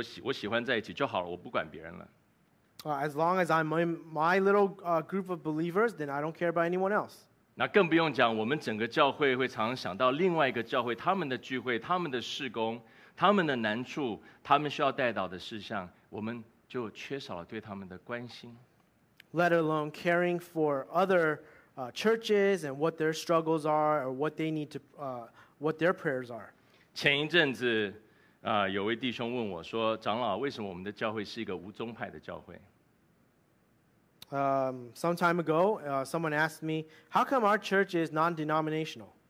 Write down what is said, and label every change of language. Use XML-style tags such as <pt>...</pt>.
<zh>我只要跟我的这一群小小群的十几个人，我喜欢在一起就好了，我不管别人了。</zh> <en>As long as I'm in my little group of believers, then I don't care about anyone else.</en> <zh>那更不用讲，我们整个教会会常常想到另外一个教会，他们的聚会，他们的事工。他们的难处，他们需要带到的事项，我们就缺少了对他们的关心。</zh> <en>Let alone caring for other churches and what their struggles are, or what they need to, what their prayers are.</en> <zh>前一阵子，有位弟兄问我说：“长老，为什么我们的教会是一个无宗派的教会？”</zh> <en>Some time ago, someone asked me, "How come our church is non-denominational?"</en>